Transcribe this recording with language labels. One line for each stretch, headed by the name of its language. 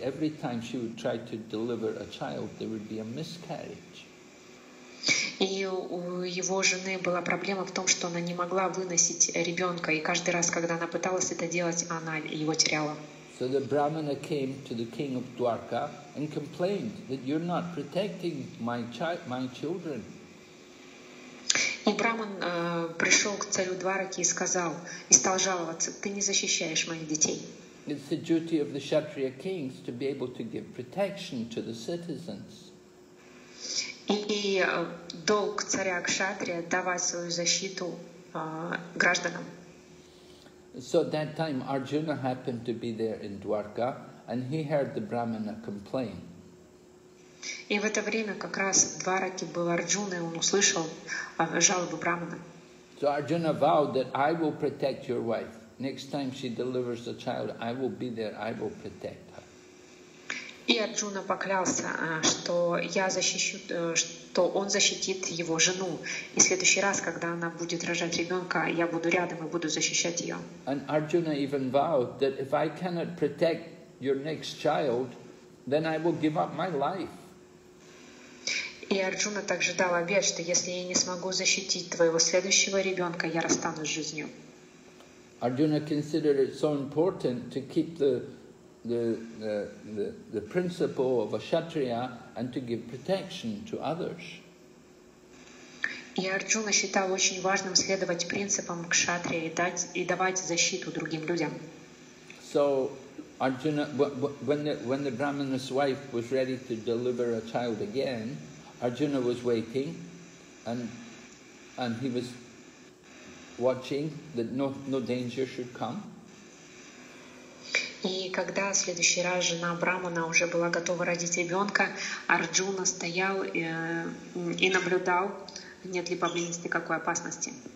English: Every time she would try to deliver a child, there would be a miscarriage.
Russian: И у его жены была проблема в том, что она не могла выносить ребенка, и каждый раз, когда она пыталась это делать, она его теряла.
English: So the Brahmana came to the king of Dwarka and complained that you're not protecting my children.
Russian: И Браман пришел к царю Двараки и сказал, и стал жаловаться, ты не защищаешь моих детей.
English: It's the duty of the Kshatriya kings to be able to give protection to the citizens.
Russian: И долг царя Кшатрия давать свою защиту гражданам.
English: So at that time Arjuna happened to be there in Dwarka, and he heard the Brahmana complain.
Russian: И в это время как раз в Двараке был Арджуна, и он услышал жалобу Брамана.
English: So Arjuna vowed that I will protect your wife. Next time she delivers a child, I will be there, I will protect her.
Russian: И Арджуна поклялся, что я защищу, что он защитит его жену. И в следующий раз, когда она будет рожать ребенка, я буду рядом и буду защищать ее.
English: And Arjuna even vowed that if I cannot protect your next child, then I will give up my life.
Russian: И Арджуна также дал обет, что если я не смогу защитить твоего следующего ребенка, я расстанусь с жизнью.
English: Arjuna considered it so important to keep the principle of a kshatriya and to give protection to others.
Russian: И Арджуна считал очень важным следовать принципам кшатрия и давать защиту другим людям.
English: So Arjuna, when the Brahmana's wife was ready to deliver a child again, Arjuna was waiting, and he was watching that no danger should come.
Russian: И когда в следующий раз жена Брамана уже была готова родить ребенка, Арджуна стоял и наблюдал, нет ли поблизости какой опасности.